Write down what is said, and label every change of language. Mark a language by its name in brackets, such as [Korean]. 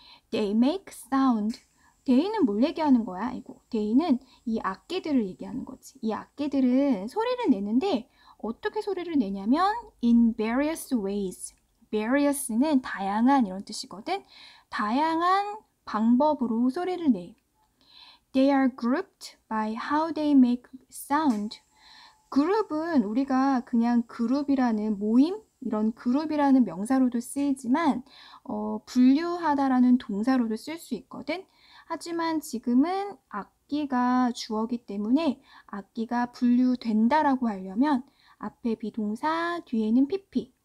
[English] They make sound. [Korean] They는 뭘 얘기하는 거야? 이거. They는 이 악기들을 얘기하는 거지. 이 악기들은 소리를 내는데 어떻게 소리를 내냐면 [English] in various ways. [Korean] Various는 다양한 이런 뜻이거든. 다양한 방법으로 소리를 내. [English] They are grouped by how they make sound. [Korean] 그룹은 우리가 그냥 그룹이라는 모임? 이런 그룹이라는 명사로도 쓰이지만, 분류하다라는 동사로도 쓸수 있거든. 하지만 지금은 악기가 주어기 때문에 악기가 분류된다라고 하려면 앞에 비동사, 뒤에는 PP.